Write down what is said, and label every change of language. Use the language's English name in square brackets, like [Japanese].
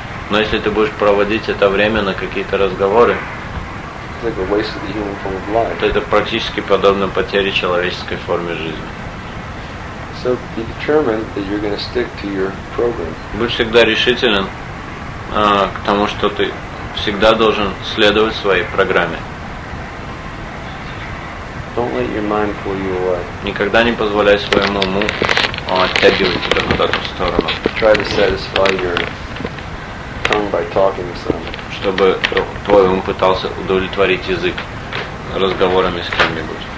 [Russian] Но если ты будешь проводить это время на какие-то разговоры, то это практически подобно потере человеческой формы жизни. [English] So be determined that you're going to stick to your program. [Russian] Будь всегда решителен к тому, что ты всегда должен следовать своей программе. [English] Don't let your mind pull you away. [Russian] Никогда не позволяй своему уму оттягивать тебя куда-то в сторону. [English] Try to satisfy your tongue by talking to someone. [Russian] Чтобы твой ум пытался удовлетворить язык разговорами с кем-нибудь.